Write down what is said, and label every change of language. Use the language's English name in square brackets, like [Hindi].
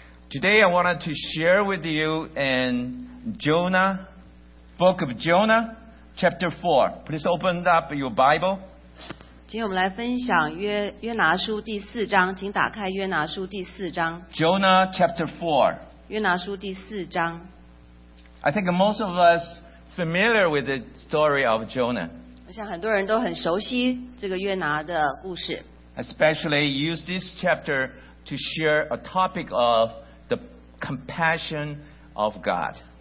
[English] Today I wanted to share with you in Jonah, Book of Jonah, Chapter 4. Please open up your Bible. [Chinese] 今天我们来分享约拿书第四章，请打开约拿书第四章。 [English] Jonah Chapter 4. [Chinese] 约拿书第四章。 [English] I think most of us familiar with the story of Jonah. [Chinese] 我想很多人都很熟悉这个约拿的故事。 [English] Especially use this chapter to share a topic of the compassion of God.